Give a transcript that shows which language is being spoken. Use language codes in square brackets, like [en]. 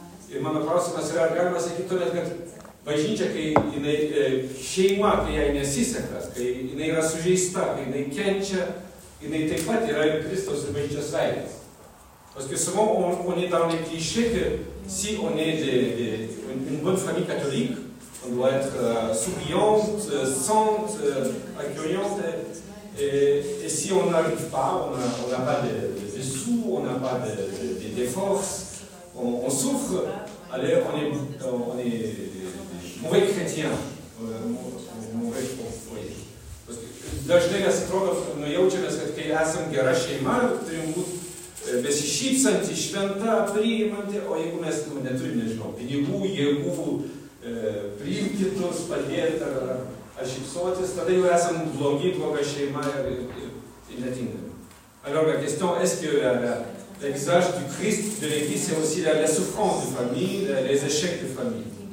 [lt] Ir mano klausimas yra, ar galima sakyti tuomet, kad bažnyčia, kai jinai, šeima, kai jai nesiseka, kai jinai yra sužeista, kai jinai kenčia, jinai taip pat yra ir Kristaus ir bažnyčios veidas. [fr] Parce que souvent, on est dans les clichés que si on est une bonne famille catholique, on doit être souriante, sainte, accueillante, et si on n'arrive pas, on n'a pas de sous, on n'a pas de force, on souffre, alors on est mauvais chrétien, mauvais foyer. Parce que [lt] dažnai mes atrodo, [fr] nous [lt] jaučiamės, kad kai esam gera šeima, turim būt besišypsanti, šventa, priimanti, o jeigu mes neturim, nežinau, pinigų, jėgų, priimti tos, padėti ar šypsotis, tada jau esam bloga šeima ir netinkami. [fr] Alors la question est que l'exage du Christ de l'Église, c'est aussi la souffrance de famille, les échecs de famille.